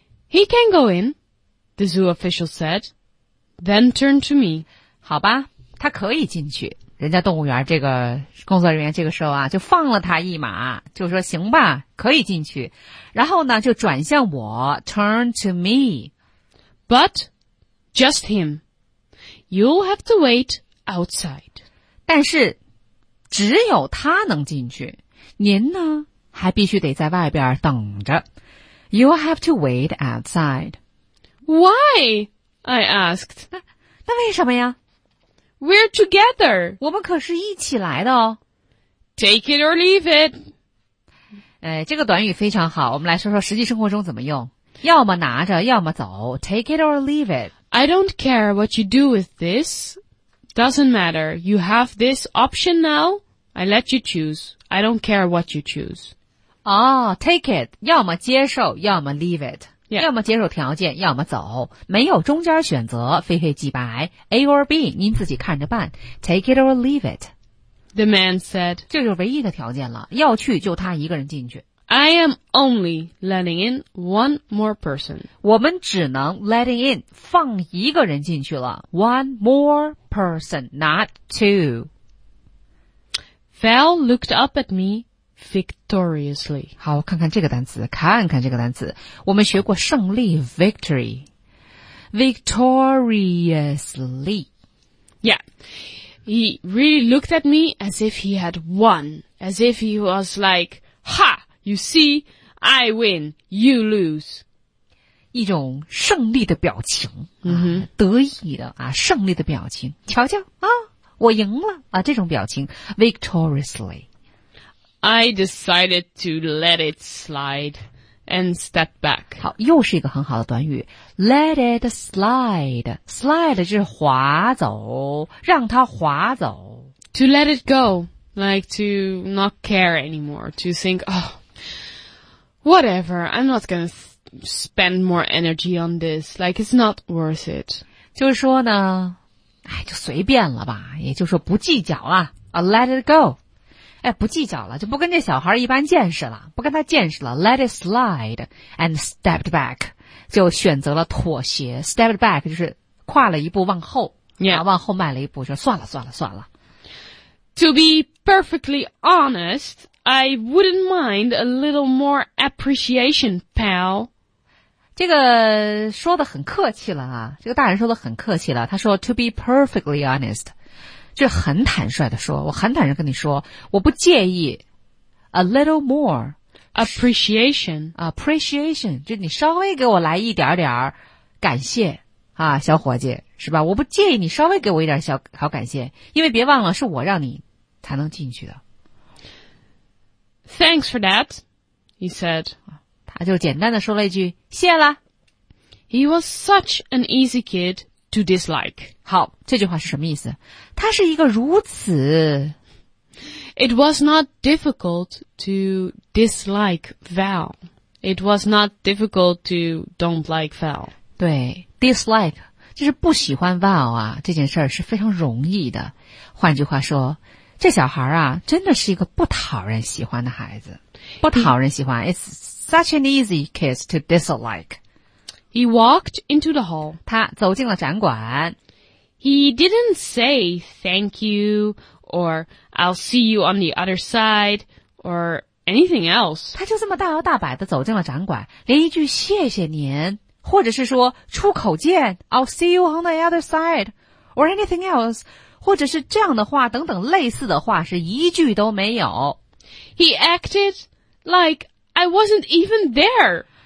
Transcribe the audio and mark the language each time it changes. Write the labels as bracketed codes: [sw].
[en] He can go in, the zoo official said, then turned to me. [zh] 好吧，他可以进去。人家动物园这个工作人员这个时候啊，就放了他一马，就说行吧，可以进去。然后呢，就转向我 ， [en] turn to me。 But just him, you'll have to wait outside. [zh] 但是只有他能进去，您呢还必须得在外边等着。 [en] You'll have to wait outside. Why? I asked. [zh] 那为什么呀？ [en] We're together. [zh] 我们可是一起来的哦。 [en] Take it or leave it. [zh] 这个短语非常好，我们来说说实际生活中怎么用。要么拿着，要么走。 [en] Take it or leave it. I don't care what you do with this. Doesn't matter. You have this option now. I let you choose. I don't care what you choose. Take it. [zh] 要么接受，要么 [en] leave it. Yeah. [zh] 要么接受条件，要么走，没有中间选择，非黑即白。 [en] A or B, [zh] 您自己看着办。 [en] Take it or leave it. The man said, [zh] 这就是唯一的条件了，要去就他一个人进去。 [en] I am only letting in one more person. [zh] 我们只能 [en] letting in, [zh] 放一个人进去了。 [en] One more person, not two. Val looked up at me,victoriously. [zh] 好，看看这个单词，看看这个单词。我们学过胜利 ,victory. [en] Victoriously. Yeah. He really looked at me as if he had won. As if he was like, ha! You see? I win. You lose. [zh] 一种胜利的表情、得意的、胜利的表情。瞧瞧啊，我赢了啊，这种表情。 [en] Victoriously. I decided to let it slide and step back. [zh] 好，又是一个很好的短语。 [en] Let it slide. [zh] Slide 就是滑走，让它滑走。 [en] To let it go, like to not care anymore, to think, oh, whatever, I'm not going to spend more energy on this, like it's not worth it. [zh] 就是说呢，哎，就随便了吧，也就是说不计较了。 [en] Let it go. [zh] 哎，不计较了，就不跟这小孩一般见识了，不跟他见识了。 [en] Let it slide and stepped back, [zh] 就选择了妥协。 [en] Stepped back [zh] 就是跨了一步往后、 [en] yeah. [zh] 往后迈了一步，就算了算了算了。 [en] To be perfectly honest, I wouldn't mind a little more appreciation, pal. [zh] 这个说得很客气了啊，这个大人说得很客气了，他说 [en] to be perfectly honest, [zh] 就很坦率地说，我很坦率跟你说，我不介意 [en] a little more. Appreciation. Appreciation. [zh] 就你稍微给我来一点点感谢啊，小伙计，是吧？我不介意你稍微给我一点小好感谢，因为别忘了是我让你才能进去的。 [en] Thanks for that, he said. [zh] 他就简单的说了一句，谢了。 [en] He was such an easy kid to dislike. [zh] 好，这句话是什么意思？他是一个如此。 [en] It was not difficult to dislike Val. It was not difficult to don't like Val. [zh] 对 ,dislike, 就是不喜欢 Val 啊，这件事儿是非常容易的。换句话说，这小孩啊真的是一个不讨人喜欢的孩子。不讨人喜欢 [en] ,it's such an easy kiss to dislike. He walked into the hall. [zh] 他走进了展馆。 [en] He didn't say thank you,or I'll see you on the other side, or anything else. [zh] 他就这么大摇大摆地走进了展馆，连一句谢谢您，或者是说出口见 [en] I'll see you on the other side, or anything else, [zh] 或者是这样的话等等类似的话是一句都没有。 [en] He acted like I wasn't even there.